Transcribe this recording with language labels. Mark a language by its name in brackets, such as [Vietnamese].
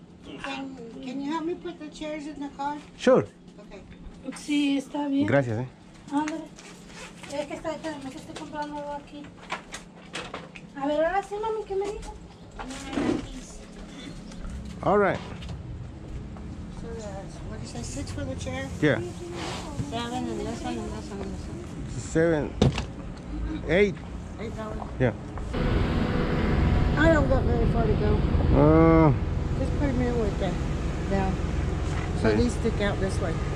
[English] Can you help me put the chairs in the car? Sure. [Spanish] Okay. Sí, está bien. Gracias, André. Es que está, espérame, que estoy comprando algo aquí. A ver, ahora sí, mami, ¿qué me dijo? [English] All right. So, what did I sit for the chair? Yeah. 7 and this one and this one and this one. 7. $8. Yeah. I don't got very far to go. Just put them in with them. Down. So nice. These stick out this way.